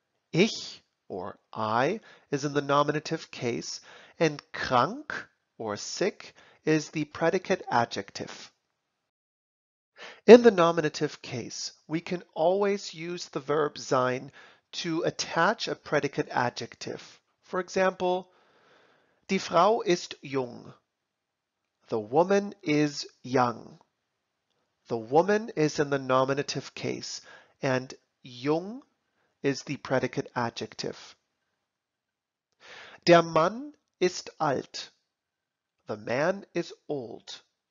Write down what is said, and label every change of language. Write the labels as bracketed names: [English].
[English] Ich or I is in the nominative case, and krank or sick is the predicate adjective. In the nominative case, we can always use the verb sein to attach a predicate adjective. For example, [German] die Frau ist jung. [English] The woman is young. The woman is in the nominative case, and jung is the predicate adjective. [German] Der Mann ist alt. [English] The man is old.